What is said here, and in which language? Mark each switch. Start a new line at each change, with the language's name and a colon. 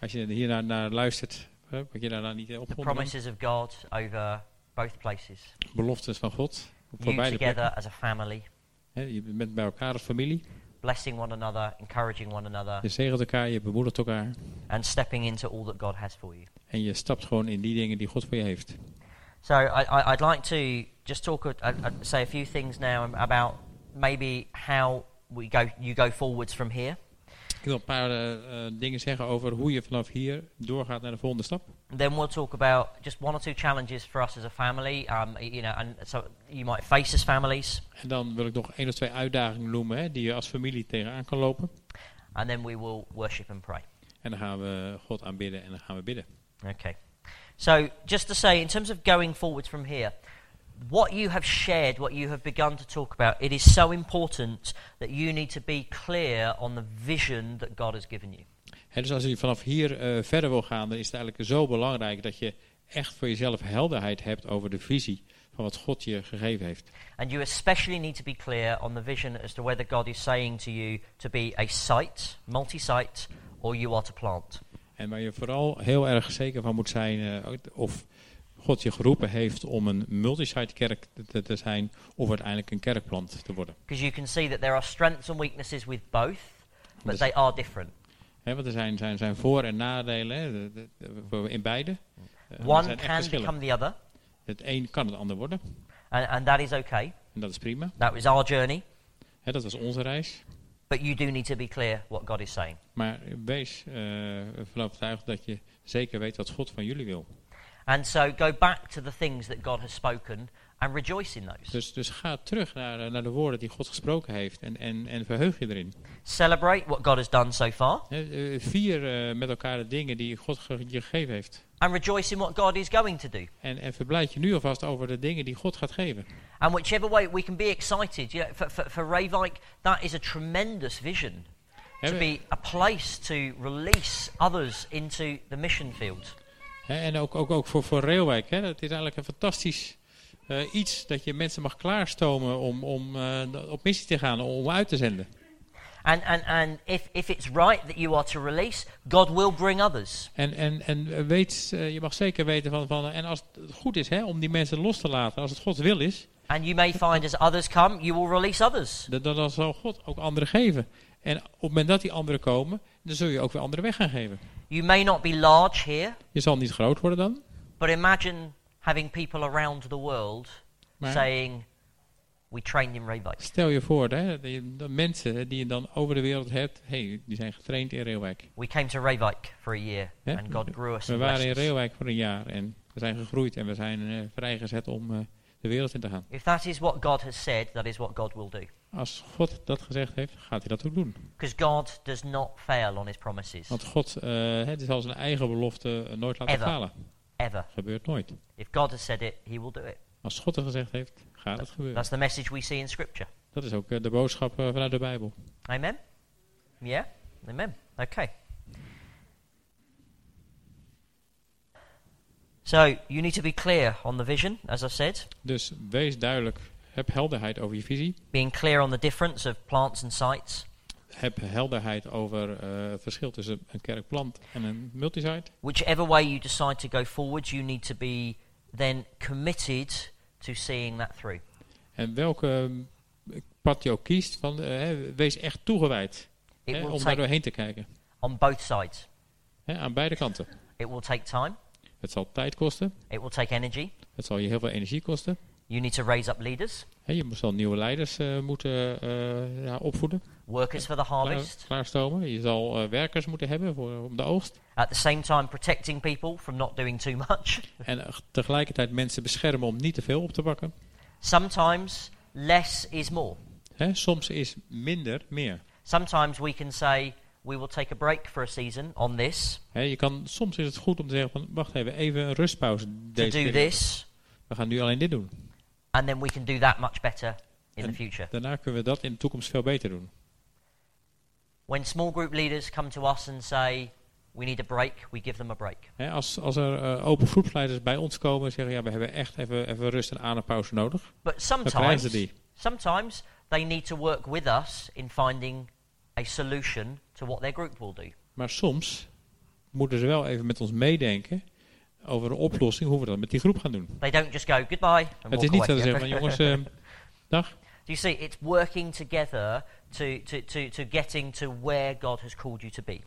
Dutch: Als je hier naar luistert, wat je daar niet op.
English: The promises of God over both places.
Dutch: Beloftes van God voor
English: you
Dutch: beide
English: together
Dutch: plekken.
English: As a family.
Dutch: He, je bent bij elkaar als familie.
English: Blessing one another, encouraging one another.
Dutch: Je zegelt elkaar, je bemoedigt elkaar.
English: And stepping into all that God has for you.
Dutch: En je stapt gewoon in die dingen die God voor je heeft.
English: So I'd like to just talk say a few things now about maybe how you go forwards from here.
Dutch: Ik wil een paar dingen zeggen over hoe je vanaf hier doorgaat naar de volgende stap.
English: Then we'll talk about just one or two challenges for us as a family, you know, and so you might face as families.
Dutch: En dan wil ik nog één of twee uitdagingen noemen, hè, die je als familie tegenaan kan lopen.
English: And then we will worship and pray.
Dutch: En dan gaan we God aanbidden en dan gaan we bidden.
English: Okay. So just to say, in terms of going forward from here, what you have shared, what you have begun to talk about, it is so important that you need to be clear on the vision that God has given you.
Dutch: Ja, dus als je vanaf hier verder wil gaan, dan is het eigenlijk zo belangrijk dat je echt voor jezelf helderheid hebt over de visie van wat God je gegeven heeft.
English: And you especially need to be clear on the vision as to whether God is saying to you to be a site, multi-site, or you are to plant.
Dutch: En waar je vooral heel erg zeker van moet zijn, of God je geroepen heeft om een multi-site kerk te zijn, of uiteindelijk een kerkplant te worden.
English: Because you can see that there are strengths and weaknesses with both, but they are different.
Dutch: He, want er zijn voor- en nadelen in beide.
English: One can become the other.
Dutch: Het een kan het ander worden.
English: And that is okay.
Dutch: En dat is prima.
English: That was our journey.
Dutch: He, dat was onze reis.
English: But you do need to be clear what God is saying.
Dutch: Maar wees ervan overtuigd dat je zeker weet wat God van jullie wil.
English: And so go back to the things that God has spoken and rejoice in those.
Dutch: Dus ga terug naar de woorden die God gesproken heeft en verheug je erin.
English: Celebrate what God has done so far.
Dutch: Vier met elkaar de dingen die God je gegeven heeft.
English: And rejoice in what God is going to do. En verblijf je nu alvast over de dingen die God gaat geven. And whichever way we can be excited, you know, for Reykjavik, that is a tremendous vision. To be a place to release others into the mission field.
Dutch: En ook voor Reykjavik, hè, dat is eigenlijk een fantastisch iets dat je mensen mag klaarstomen om op missie te gaan, om uit te zenden.
English: And if it's right that you are to release, God will bring others.
Dutch: En je mag zeker weten van en als het goed is, hè, om die mensen los te laten, als het Gods wil is.
English: And you may find as others come, you will release others.
Dutch: Dan zal God ook anderen geven. En op het moment dat die anderen komen, dan zul je ook weer anderen weg gaan geven.
English: You may not be large here.
Dutch: Je zal niet groot worden dan.
English: But imagine having people around the world saying, "We trained in Reykjavik."
Dutch: Stel je voor, hè, de mensen die je dan over de wereld hebt, hey, die zijn getraind in Reykjavik.
English: We came to Reykjavik for a year, ja? And God grew us.
Dutch: We waren in Reykjavik voor een jaar en we zijn gegroeid en we zijn vrijgezet om de wereld in te gaan.
English: If that is what God has said, that is what God will do.
Dutch: Als God dat gezegd heeft, gaat hij dat ook doen.
English: Because God does not fail on his promises.
Dutch: Want God het zal zijn eigen belofte nooit laten
English: Ever.
Dutch: Falen.
English: Ever.
Dutch: Gebeurt nooit.
English: If God has said it, he will do it.
Dutch: Als God het gezegd heeft, gaat het gebeuren.
English: That's the message we see in scripture.
Dutch: Dat is ook de boodschap vanuit de Bijbel.
English: Amen? Yeah? Amen. Okay. So, you need to be clear on the vision, as I said.
Dutch: Dus wees duidelijk. Heb helderheid over je visie.
English: Being clear on the difference of plants and sites.
Dutch: Heb helderheid over het verschil tussen een kerkplant en een multisite.
English: Whichever way you decide to go forward, you need to be then committed to seeing that through.
Dutch: En welke pad je ook kiest, wees echt toegewijd om daar doorheen te kijken.
English: On both sides.
Dutch: Aan beide kanten.
English: It will take time.
Dutch: Het zal tijd kosten.
English: It will take energy.
Dutch: Het zal je heel veel energie kosten.
English: You need to raise up leaders.
Dutch: Je zal nieuwe leiders moeten opvoeden.
English: Workers for the harvest.
Dutch: Klaarstomen. Je zal werkers moeten hebben om de oogst.
English: At the same time protecting people from not doing too much.
Dutch: En tegelijkertijd mensen beschermen om niet te veel op te pakken.
English: Sometimes less is more.
Dutch: Soms is minder meer.
English: Sometimes we can say we will take a break for a season on this.
Dutch: Je kan, soms is het goed om te zeggen van wacht even een rustpauze deze
English: to do this.
Dutch: We gaan nu alleen dit doen.
English: And then we can do that much better in the future.
Dutch: Daarna kunnen we dat in de toekomst veel beter doen.
English: When small group leaders come to us and say we need a break, we give them a break.
Dutch: Als er open groepsleiders bij ons komen en zeggen ja, we hebben echt even rust en adempauze nodig.
English: But sometimes, sometimes they need to work with us in finding a solution to what their group will do.
Dutch: Maar soms moeten ze wel even met ons meedenken over een oplossing hoe we dat met die groep gaan doen.
English: They don't just go goodbye.
Dutch: Het is niet zo zeggen van jongens, dag.
English: Do you see, it's working together to getting to where God has called you to be.